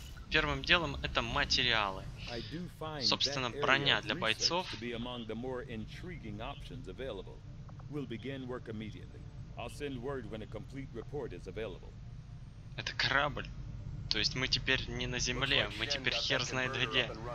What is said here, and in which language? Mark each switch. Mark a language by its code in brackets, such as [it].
[ru] Первым делом это материалы. Собственно, броня для бойцов. [en] We'll begin work immediately. I'll send word when a complete report is available. [ru] Это корабль. То есть мы теперь не на земле, мы теперь хер знает где.